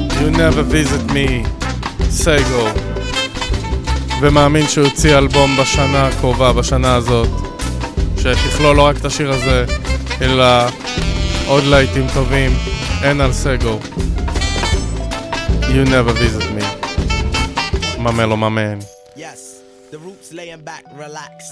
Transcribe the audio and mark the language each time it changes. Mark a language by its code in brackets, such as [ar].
[en] never visit me, סגו. [he] ומאמין שהוא יוציא אלבום בשנה הקרובה, בשנה הזאת, שתכלול לא רק את השיר הזה, אלא עוד לייטים טובים, אין על סגו. [en] You never visit me. ממלו ממן. Yes, the roots laying back, relax.